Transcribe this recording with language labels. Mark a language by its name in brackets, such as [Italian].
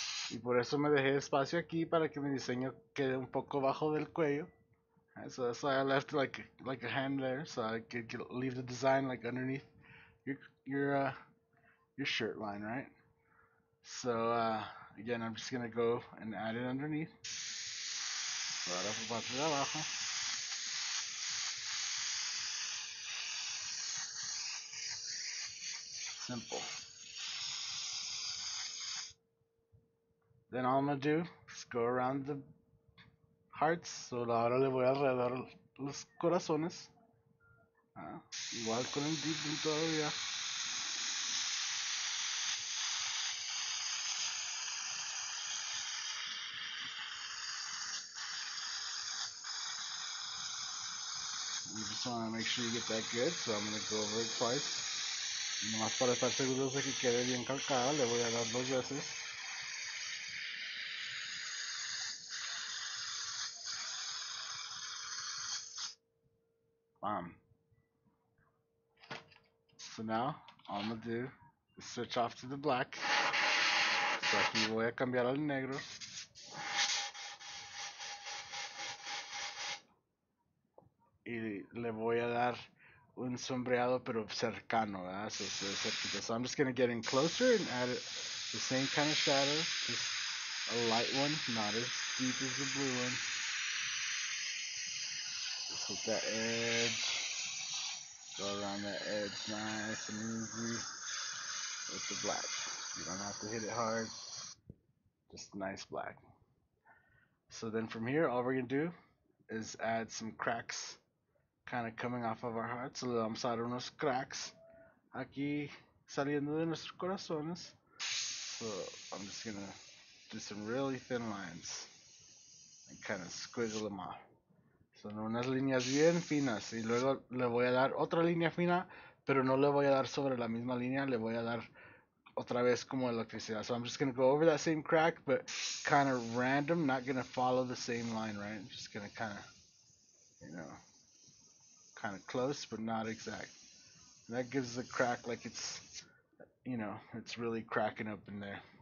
[Spanish] Y por eso me dejé espacio aquí para que mi diseño quede un poco bajo del cuello. [English] So that's why I left like a hand there, so I could leave the design like underneath your shirt line, right? So again, I'm just gonna go and add it underneath. [Spanish] Para la parte de abajo. [English] Simple. Then all I'm going to do is go around the hearts. [Spanish] So ahora le voy alrededor los corazones. Igual con el deep blue todavía. [English] You just want to make sure you get that good. So I'm going to go over it twice. [Spanish] Y nomás para estar seguros de que quede bien calcada, le voy a dar dos veces. [English] So now, all I'm going to do is switch off to the black. [Spanish] So aquí voy a cambiar al negro. Y le voy a dar un sombreado, pero cercano, ¿verdad? [English] So, so I'm just going to get in closer and add the same kind of shadow, just a light one, not as deep as the blue one. Just hit that edge. Go around that edge nice and easy with the black. You don't have to hit it hard. Just nice black. So then from here, all we're going to do is add some cracks kind of coming off of our hearts. [Spanish] So vamos a dar unos cracks aquí saliendo de nuestros corazones. [English] So I'm just going to do some really thin lines and kind of squiggle them off. [Spanish] Son unas líneas bien finas y luego le voy a dar otra línea fina, pero no le voy a dar sobre la misma línea, le voy a dar otra vez como electricidad. [English] So I'm just going to go over that same crack, but kind of random, not going to follow the same line, right? I'm just going to kind of, you know, kind of close, but not exact. And that gives the crack like it's, you know, it's really cracking up in there.